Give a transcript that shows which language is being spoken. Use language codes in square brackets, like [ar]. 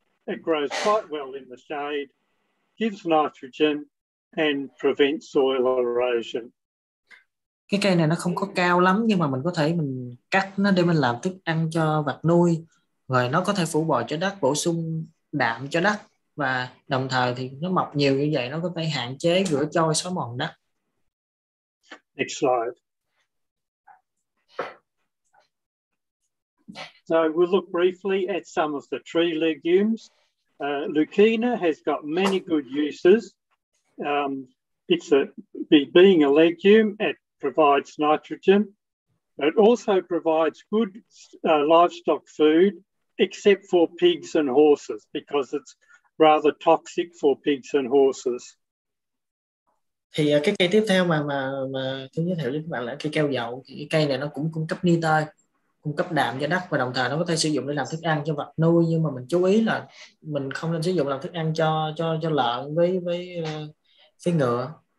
[en] It grows quite well in the shade, gives nitrogen and prevents soil erosion. [vi] Cái cây này nó không có cao lắm, nhưng mà mình có thể mình cắt nó để mình làm thức ăn cho vật nuôi, rồi nó có thể phủ bồi cho đất, bổ sung đạm cho đất, và đồng thời thì nó mọc nhiều như vậy, nó có thể hạn chế rửa trôi xói mòn đất. [en] Next slide. So we'll look briefly at some of the tree legumes. Lucina has got many good uses. It's a, being a legume, it provides nitrogen. It also provides good livestock food, except for pigs and horses, because it's rather toxic for pigs and horses. [vi] Thì cái cây tiếp theo mà tôi giới thiệu với các bạn là cây keo dậu. Thì cái cây này nó cũng cung cấp nitơ, cung cấp đạm cho đất, và đồng thời nó có thể sử dụng để làm thức ăn cho vật nuôi, nhưng mà mình chú ý là mình không nên sử dụng làm thức ăn cho lợn với ngựa.